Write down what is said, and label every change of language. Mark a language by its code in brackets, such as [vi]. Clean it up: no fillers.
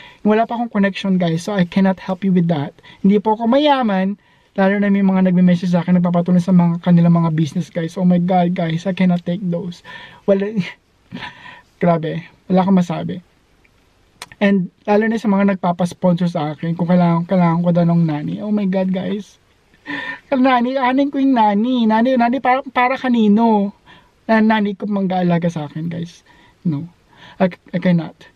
[tl] Wala pa akong connection, [en] guys, so I cannot help you with that. [tl] Hindi po ako mayaman, lalo na may mga nagme-message sa akin, nagpapatuloy sa mga kanilang mga business, guys. [en] Oh my God, guys, I cannot take those. [tl] Well, grabe, wala akong masabi. And lalo na sa mga nagpapasponsor sa akin, kung kailangan ko daw ng nani. [en] Oh my God, guys. [tl] Nani, anin ko yung nani. Nani, para kanino. Nani ko mag-aalaga sa akin, guys. [en] No, I cannot.